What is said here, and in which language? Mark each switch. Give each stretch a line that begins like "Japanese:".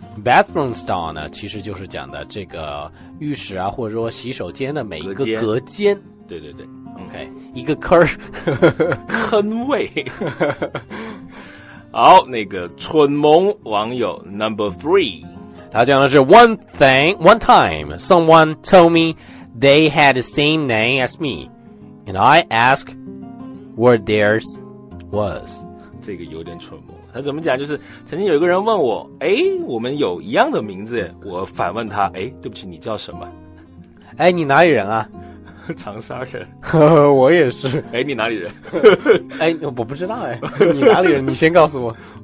English: Bathroom stall
Chinese: 呢，其实就是讲的这个浴室啊，或者说洗手间的每一个隔间。对对对，OK， 一个坑坑位。好，那个蠢萌网友
English: number three，
Chinese: 他讲的是
English: one time someone told me they had the same name as me， and I asked where theirs was。
Chinese: 这个有点蠢萌。他怎么讲，就是曾经有一个人问我，哎，我们有一样的名字，我反问他，哎，对不起，你叫什么？哎，你哪里人啊？长沙人。我也是。哎，你哪里人？哎，我不知道。哎，你哪里人？你先告诉我。